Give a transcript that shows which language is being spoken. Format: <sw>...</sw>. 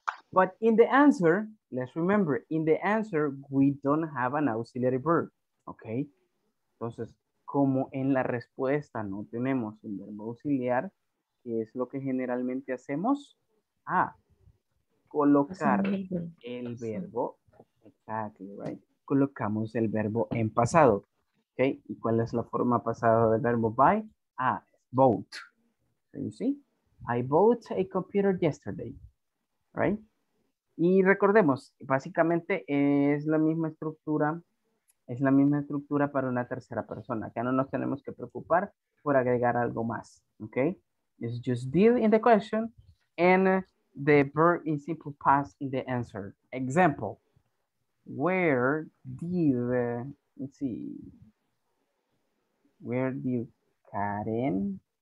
<en>But in the answer, let's remember, in the answer, we don't have an auxiliary verb, okay?</en> <es>Entonces, como en la respuesta no tenemos un verbo auxiliar, ¿qué es lo que generalmente hacemos? Ah, colocar el verbo,</es> <en>exactly, right?</en> <es>Colocamos el verbo en pasado, okay? ¿Y cuál es la forma pasada del verbo buy?</es> <en>Ah, bought, so you see? I bought a computer yesterday, right?</en> <es>Y recordemos, básicamente es la misma estructura, es la misma estructura para una tercera persona. Acá no nos tenemos que preocupar por agregar algo más, okay?</es> <en>It's just did in the question and the verb in simple past in the answer. Example, where did, let's see, where did Karen...</en>